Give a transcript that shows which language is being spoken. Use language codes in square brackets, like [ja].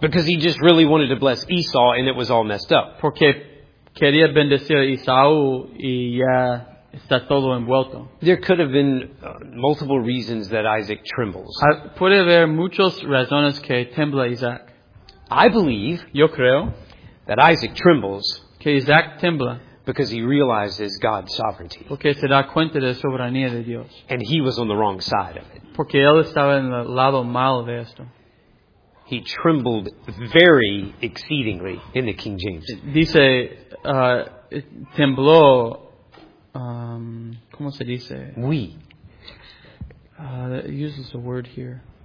[en] Because he just really wanted to bless Esau, and it was all messed up. [es] Porque quería bendecir a Esau y ya está todo envuelto. [en] There could have been multiple reasons that Isaac trembles. [es] Puede haber muchas razones que tembla Isaac. [en] I believe. [es] Yo creo. [en] That Isaac trembles. [es] Que Isaac tembla. [en] Because he realizes God's sovereignty. [es] Porque se da cuenta de la soberanía de Dios. [en] And he was on the wrong side of it. [es] Porque él estaba en el lado malo de esto. [en] He trembled very exceedingly in the King James. [es] Dice, tembló, ¿cómo se dice? [fr] Oui. [en] It uses a word here.